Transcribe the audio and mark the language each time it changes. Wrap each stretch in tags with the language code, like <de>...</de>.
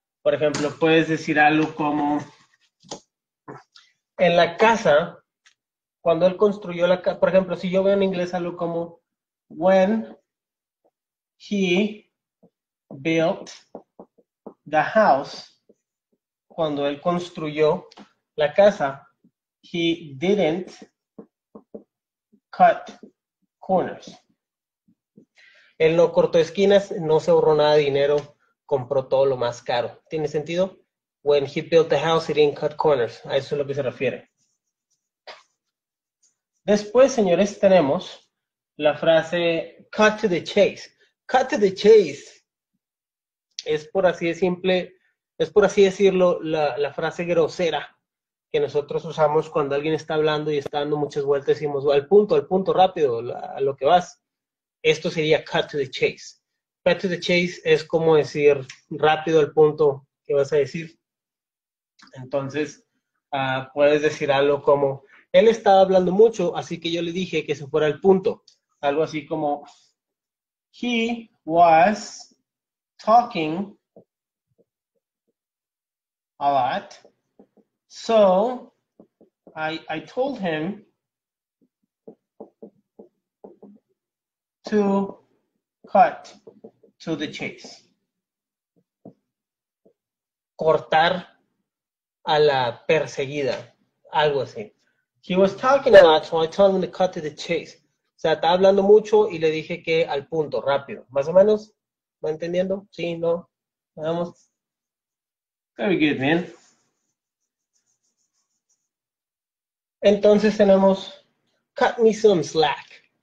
<es>Por ejemplo, puedes decir algo como, en la casa, cuando él construyó la casa, por ejemplo, si yo veo en inglés algo como,</es> <en>when he built the house,</en> <es>cuando él construyó la casa,</es> <en>he didn't corners.</en> <es>Él no cortó esquinas, no se ahorró nada de dinero, compró todo lo más caro. ¿Tiene sentido?</es> <en>When he built the house, he didn't cut corners.</en> <es>A eso es a lo que se refiere. Después, señores, tenemos la frase</es> <en>cut to the chase. Cut to the chase.</en> <es>Es por así de simple, es por así decirlo, la frase grosera que nosotros usamos cuando alguien está hablando y está dando muchas vueltas y decimos al punto rápido, a lo que vas. Esto sería</es> <en>cut to the chase. Cut to the chase</en> <es>es como decir rápido al punto que vas a decir. Entonces, puedes decir algo como, él estaba hablando mucho, así que yo le dije que se fuera al punto. Algo así como,</es> <en>he was talking a lot, so I told him to the chase.</en> <es>Cortar a la perseguida, algo así.</es> <en>He was talking a lot, so I told him to cut to the chase.</en> <es>O sea, estaba hablando mucho y le dije que al punto, rápido, más o menos. ¿Va entendiendo? Sí, no. Vamos.</es> <en>Very good, man.</en> <es>Entonces tenemos</es> <en>cut me some slack.</en>